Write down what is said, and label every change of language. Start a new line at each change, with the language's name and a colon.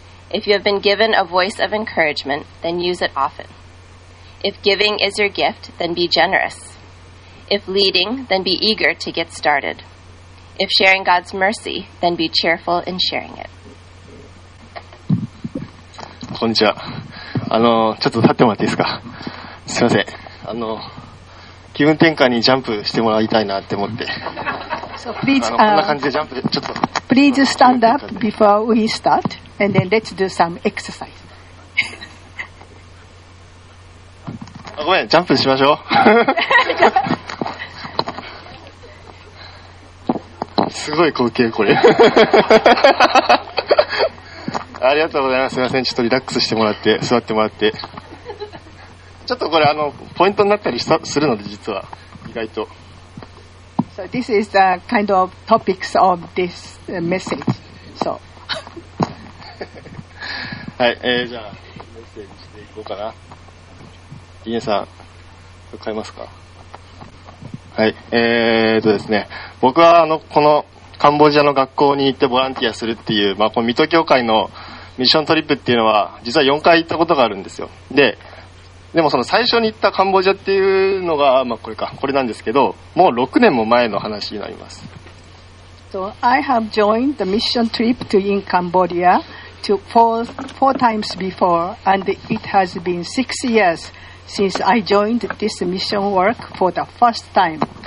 English: If you have been given a voice of encouragement, then use it often. If giving is your gift, then be generous. If leading, then be eager to get started. If sharing God's mercy, then be cheerful in sharing it.
Japanese: こんにちは。ちょっと立ってもらっていいですか。すいません。気分転換にジャンプしてもらいたいなって思って。
English: So please,
Japanese: こんな感じでジャンプでちょっと。
English: Please stand up before we start, and then let's do some exercise.
Japanese: あ、ごめん、ジャンプしましょう。すごい光景これ。ありがとうございます。すいません。ちょっとリラックスしてもらって、座ってもらって。ちょっとこれ、ポイントになったりするので、実は、意外と。
English: So this is the kind of topics of this message. So.
Japanese: はい、じゃあ、メッセージしていこうかな。リネさん、変えますか。はい、ですね。僕は、このカンボジアの学校に行ってボランティアするっていう、まあ、この水戸教会のミッショントリップっていうのは実は4回行ったことがあるんですよ。でもその最初に行ったカンボジアっていうのが、まあ、これなんですけど、もう6年も前の話になります。
English: So I have joined the mission trip to in Cambodia to four times before, and it has been 6 years since I joined this mission work for the first time.